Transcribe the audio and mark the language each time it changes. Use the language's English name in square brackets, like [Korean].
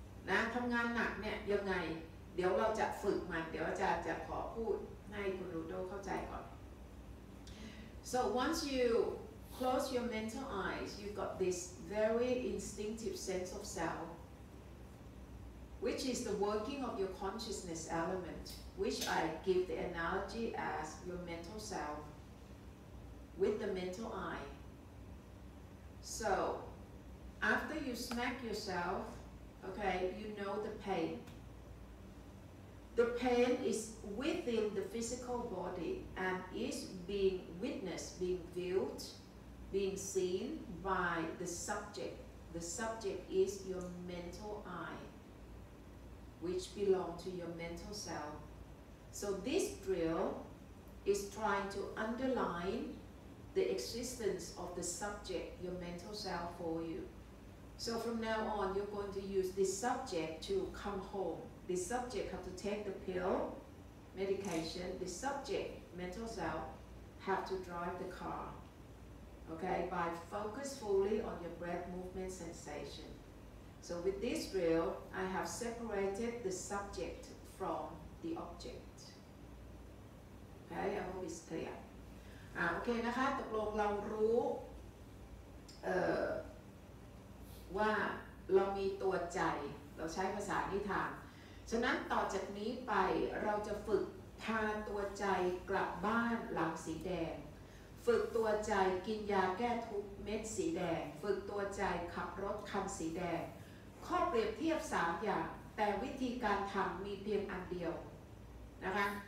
[Thai] นะทำงานหนักเนี่ยยังไงเดี๋ยวเราจะฝึกมันเดี๋ยวอาจารย์จะขอพูดให้คุณรูโดเข้าใจก่อน [English] so once youClose your mental eyes, you've got this very instinctive sense of self, which is the working of your consciousness element, which I give the analogy as your mental self with the mental eye. So after you smack yourself, okay, you know the pain. The pain is within the physical body and is being witnessed, being viewed. Being seen by the subject. The subject is your mental eye, which belongs to your mental self. So this drill is trying to underline the existence of the subject, your mental self, for you. So from now on, you're going to use this subject to come home. This subject have to take the pill, medication. This subject, mental self, have to drive the car. Okay, by focus fully on your breath movement sensation. So with this drill, I have separated the subject from the object. Okay, I hope it's clear. [Thai] Okay, นะคะตกลงเรารู้ว่าเรามีตัวใจเราใช้ภาษานิทานฉะนั้นต่อจากนี้ไปเราจะฝึกพาตัวใจกลับบ้านหลังสีแดงฝึกตัวใจกินยาแก้ทุกเม็ดสีแดงฝึกตัวใจขับรถคันสีแดงข้อเปรียบเทียบ3อย่างแต่วิธีการทำมีเพียงอันเดียวนะคะ